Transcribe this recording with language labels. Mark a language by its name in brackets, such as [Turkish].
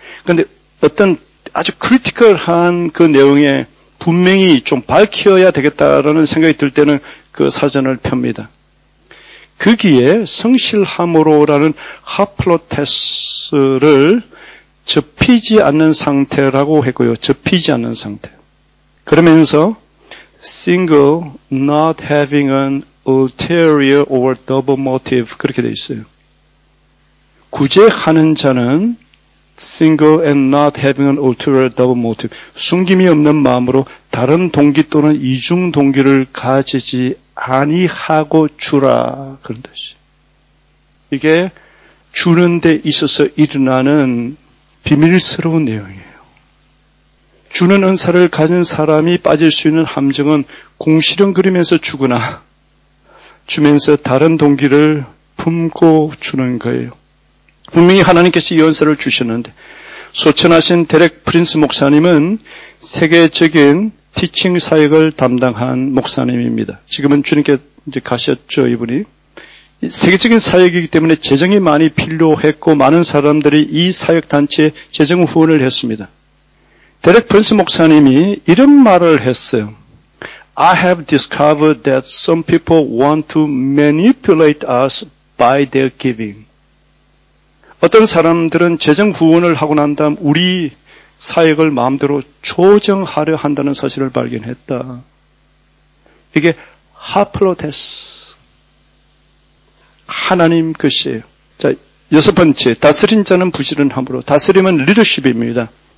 [Korean] 근데 어떤 아주 크리티컬한 그 내용에 분명히 좀 밝혀야 되겠다라는 생각이 들 때는 그 사전을 펴니다. 거기에 성실함으로라는 하플로테스를 접히지 않는 상태라고 했고요. 접히지 않는 상태. 그러면서 [English] single not having an ulterior or double motive [Korean] 그렇게 돼 있어요. 구제하는 자는 [English] single and not having an ulterior double motive. [Korean] 숨김이 없는 마음으로 다른 동기 또는 이중 동기를 가지지 아니하고 주라. 그런 뜻이. 이게 주는 데 있어서 일어나는 비밀스러운 내용이에요. 주는 은사를 가진 사람이 빠질 수 있는 함정은 궁시렁 그리면서 주거나 주면서 다른 동기를 품고 주는 거예요. 분명히 하나님께서 이 은사를 주셨는데 소천하신 데렉 프린스 목사님은 세계적인 티칭 사역을 담당한 목사님입니다. 지금은 주님께 이제 가셨죠, 이분이. 세계적인 사역이기 때문에 재정이 많이 필요했고 많은 사람들이 이 사역단체에 재정 후원을 했습니다. 데렉 프린스 목사님이 이런 말을 했어요. [English] I have discovered that some people want to manipulate us by their giving. [Korean] 어떤 사람들은 재정 후원을 하고 난 다음 우리 사역을 마음대로 조정하려 한다는 사실을 발견했다. 이게 하플로테스. 하나님 것이에요. 자, 여섯 번째, 다스린 자는 부지런함으로. 다스림은 리더십입니다.